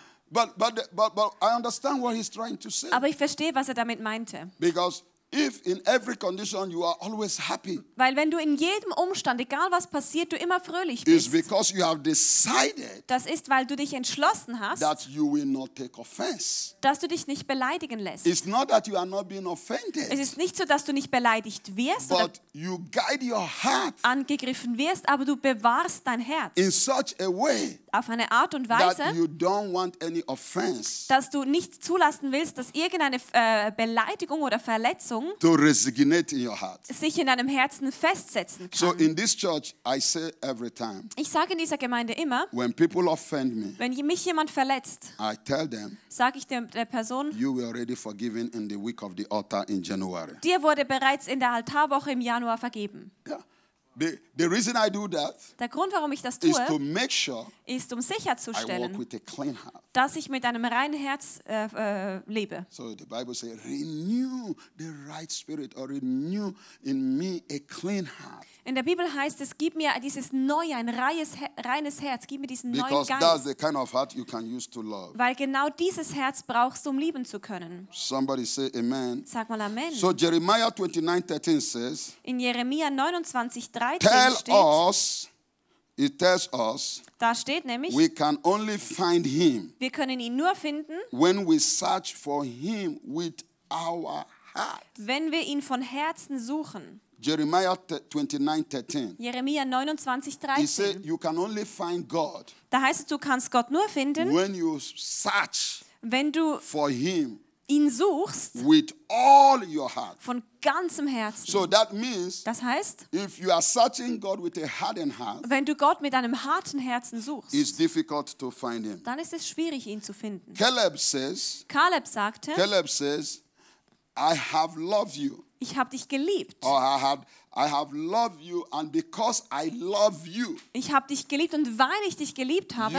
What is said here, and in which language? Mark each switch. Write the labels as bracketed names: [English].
[English] But I understand what he's trying to say. [German] Aber ich verstehe, was er damit meinte. [English] Because if in every condition you are always happy, [German] weil wenn du in jedem Umstand, egal was passiert, du immer fröhlich bist, [English] is because you have decided, [German] das ist, weil du dich entschlossen hast, [English] that you will not take offense, [German] dass du dich nicht beleidigen lässt. [English] It's not that you are not being offended, [German] es ist nicht so, dass du nicht beleidigt wirst, [English] but [German] oder [English] you guide your heart, [German] angegriffen wirst, aber du bewahrst dein Herz [English] in such a way, [German] auf eine Art und Weise, [English] that you don't want any offense, [German] dass du nicht zulassen willst, dass irgendeine Beleidigung oder Verletzung [English] to resignate in your heart. [German] Sich in deinem Herzen festsetzen kann. [English] So in this church I say every time, [German] ich sage in dieser Gemeinde immer, [English] when people offend me, [German] wenn mich jemand verletzt, [English] I tell them, [German] sage ich der Person, [English] you were already forgiven in the week of the altar in January. [German] Dir wurde bereits in der Altarwoche im Januar vergeben. [English] Yeah. The reason I do that, [German] der Grund, warum ich das tue, [English] is to make sure, [German] ist, um sicherzustellen, [English] I walk with a clean heart, [German] dass ich mit einem reinen Herz lebe. [English] So the Bible says, renew the right spirit, or renew in me a clean heart. [German] In der Bibel heißt es, gib mir dieses neue, ein reines Herz, gib mir diesen [English] because [German] neuen Geist. [English] That's the kind of heart you can use to love. [German] Weil genau dieses Herz brauchst du, um lieben zu können. [English] Somebody say amen. [German] Sag mal amen. [English] So Jeremiah 29:13 says, [German] in Jeremia 29:13 [English] tell [German] steht, [English] us, it tells us, [German] da steht nämlich, [English] we can only find him, [German] wir können ihn nur finden, [English] when we search for him with our heart, [German] wenn wir ihn von Herzen suchen. [English] Jeremiah 29:13. [German] Jeremia 29:13. [English] He said, "You can only find God." [German] Da heißt es, du kannst Gott nur finden. [English] When you search, [German] wenn du [English] for him, [German] ihn suchst, [English] with all your heart, [German] von ganzem Herzen. [English] So that means, [German] das heißt, [English] if you are searching God with a hardened heart, [German] wenn du Gott mit einem harten Herzen suchst, [English] it's difficult to find him. [German] Dann ist es schwierig, ihn zu finden. [English] Caleb says. [German] Caleb sagte. [English] Caleb says, "I have loved you." [German] Ich habe dich geliebt. [English] Oh, I have loved you, and because I love you, [German] ich habe dich geliebt, und weil ich dich geliebt habe,